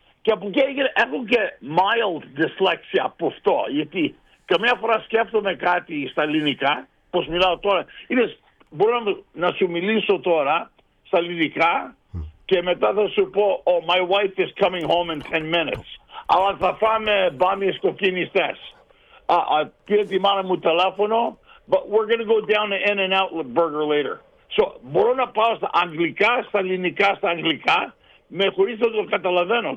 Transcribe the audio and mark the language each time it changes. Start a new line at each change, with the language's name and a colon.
Greek: Και από εκεί έγινε, έχω και mild dyslexia από αυτό, γιατί καμιά φορά σκέφτομαι κάτι στα ελληνικά, πώς μιλάω τώρα. Είδες, μπορώ να σου μιλήσω τώρα στα ελληνικά και μετά θα σου πω,
English: oh, my wife is coming home in 10 minutes,
Greek: αλλά θα φάμε μπάμιες κοκκινιστές. Πήρε τη μάνα μου τηλέφωνο,
English: but we're going to go down to In-N-Out Burger later.
Greek: So, μπορώ να πάω στα αγγλικά, στα ελληνικά, στα αγγλικά, με χωρίς να το καταλαβαίνω.